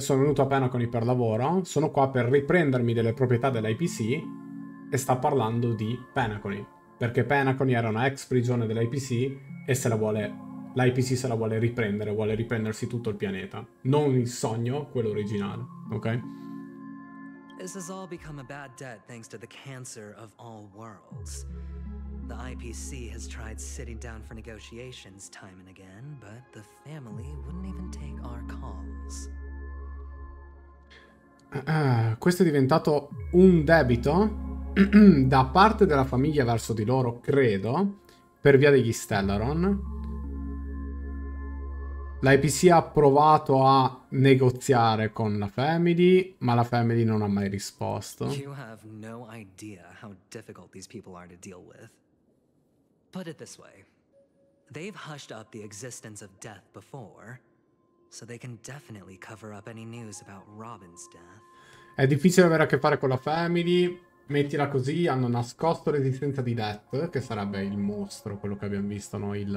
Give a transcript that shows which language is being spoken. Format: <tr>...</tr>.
<it>Sono venuto appena con Iperlavoro, sono qua per riprendermi delle proprietà dell'IPC e sta parlando di Pinacony. Perché Pinacony era una ex prigione dell'IPC e se la vuole... l'IPC se la vuole riprendersi tutto il pianeta. Non il sogno, quello originale, ok?</it> <en>This has all become a bad debt thanks to the cancer of all worlds. The IPC has tried sitting down for negotiations time and again, but the family wouldn't even take our calls.</en> <it>Questo è diventato un debito da parte della famiglia verso di loro, credo, per via degli Stellaron. L'IPC ha provato a negoziare con la Family, ma la Family non ha mai risposto.</it> <en>You have no idea how difficult these people are to deal with. Put it this way. They've hushed up the existence of death before, so they can definitely cover up any news about Robin's death.</en> <it>È difficile avere a che fare con la Family. Mettila così, hanno nascosto l'esistenza di Death, che sarebbe il mostro, quello che abbiamo visto, no?</it>